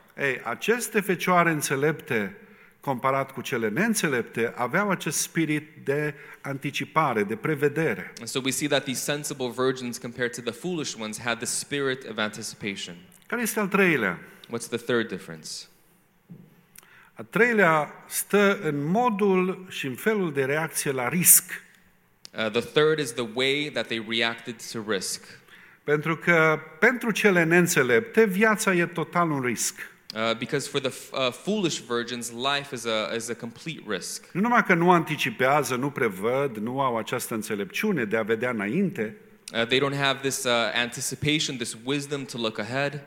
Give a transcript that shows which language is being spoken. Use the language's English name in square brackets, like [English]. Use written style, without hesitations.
[Romanian] Ei, aceste fecioare înțelepte, comparat cu cele neînțelepte, aveau acest spirit de anticipare, de prevedere. [English] And so we see that these sensible virgins, compared to the foolish ones, had the spirit of anticipation. [Romanian] Care este al treilea? [English] What's the third difference? [Romanian] Al treilea stă în modul și în felul de reacție la risc. [English] The third is the way that they reacted to risk. [Romanian] Pentru că pentru cele neînțelepte, viața e total un risc. [English] Because for the foolish virgins, life is a complete risk. [Romanian] Nu numai că nu anticipează, nu prevăd, nu au această înțelepciune de a vedea înainte. [English] They don't have this anticipation, this wisdom to look ahead.